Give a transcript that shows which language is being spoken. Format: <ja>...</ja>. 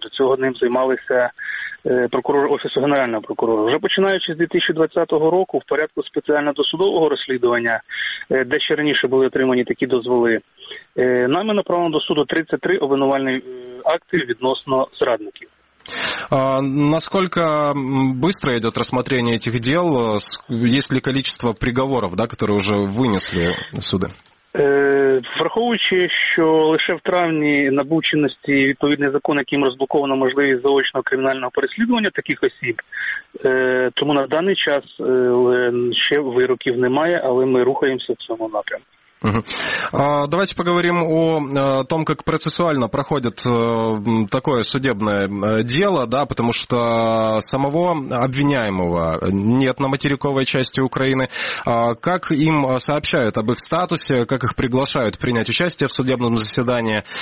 <uk>До цього ним займалися прокурор Офісу Генерального прокурора. Вже починаючи з 2020 року, в порядку спеціально досудового розслідування, де ще раніше були отримані такі дозволи, нами направлено до суду 33 обвинувальні акти відносно зрадників.</uk> <ru>А насколько быстро идет рассмотрение этих дел? Есть ли количество приговоров, да, которые уже вынесли суды?</ru> <uk>Враховуючи, що лише в травні набув чинності відповідний закон, яким розблоковано можливість заочного кримінального переслідування таких осіб, тому на даний час ще вироків немає, але ми рухаємося в цьому напрямку.</uk> <ru>Давайте поговорим о том, как процессуально проходит такое судебное дело, да, потому что самого обвиняемого нет на материковой части Украины. Как им сообщают об их статусе, как их приглашают принять участие в судебном заседании?</ru>